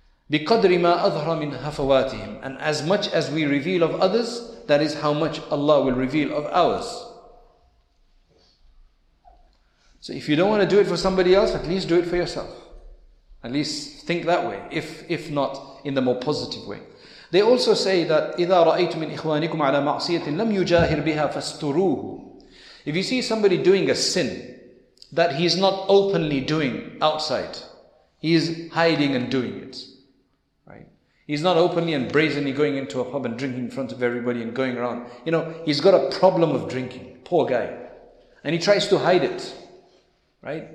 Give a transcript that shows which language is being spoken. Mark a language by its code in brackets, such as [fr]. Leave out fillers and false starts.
[ar] بِقَدْرِ مَا أَظْهَرَ مِنْ هَفَوَاتِهِمْ. [en] And as much as we reveal of others, that is how much Allah will reveal of ours. So if you don't want to do it for somebody else, at least do it for yourself. At least think that way, if not in the more positive way. They also say that [ar] إِذَا رَأَيْتُ مِنْ إِخْوَانِكُمْ عَلَى مَعْصِيَةٍ لَمْ يُجَاهِرْ بِهَا فَاسْتُرُوهُ. [en] If you see somebody doing a sin that he is not openly doing outside, he is hiding and doing it, right? He's not openly and brazenly going into a pub and drinking in front of everybody and going around. You know, he's got a problem of drinking, poor guy. And he tries to hide it, right?